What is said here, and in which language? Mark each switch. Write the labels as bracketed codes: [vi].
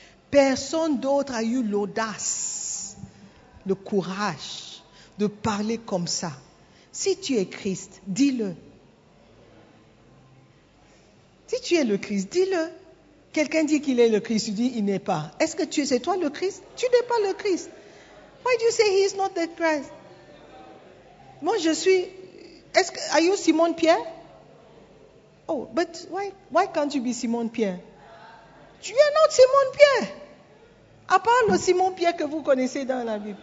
[fr] Personne d'autre a eu l'audace, le courage de parler comme ça. Si tu es Christ, dis-le. Si tu es le Christ, dis-le. Quelqu'un dit qu'il est le Christ, tu dis qu'il n'est pas. Est-ce que c'est toi le Christ? Tu n'es pas le Christ. [en] Why do you say he is not the Christ? [fr] Moi, je suis... [en] Are you Simon Pierre? Oh, but why can't you be Simon Pierre? [fr] Tu es notre Simon Pierre. À part le Simon Pierre que vous connaissez dans la Bible.